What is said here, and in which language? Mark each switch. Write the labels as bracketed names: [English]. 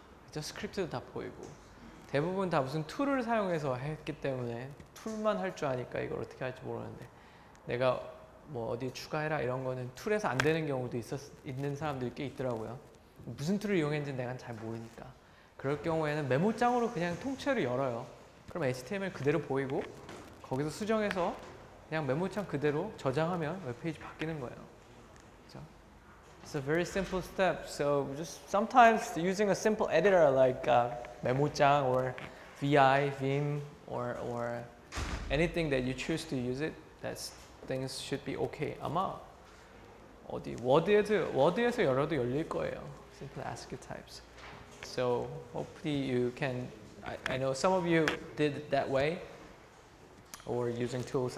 [Korean] 저 스크립트도 다 보이고 대부분 다 무슨 툴을 사용해서 했기 때문에 툴만 할 줄 아니까 이걸 어떻게 할지 모르는데 내가 뭐 어디 추가해라 이런 거는 툴에서 안 되는 경우도 있는 사람들이 꽤 있더라고요. 무슨 툴을 이용했는지 내가 잘 모르니까 그럴 경우에는 메모장으로 그냥 통째로 열어요. 그럼 HTML 그대로 보이고 거기서 수정해서 그냥 메모장 그대로 저장하면 웹페이지 바뀌는 거예요. [English] It's a very simple step. So just sometimes using a simple editor like Memojang or VI, Vim, or anything that you choose to use it, that things should be okay. [Korean] 아마 어디 워드에서 열어도 열릴 거예요. [English] Simple ASCII types. So hopefully you can. I know some of you did it that way, or using tools.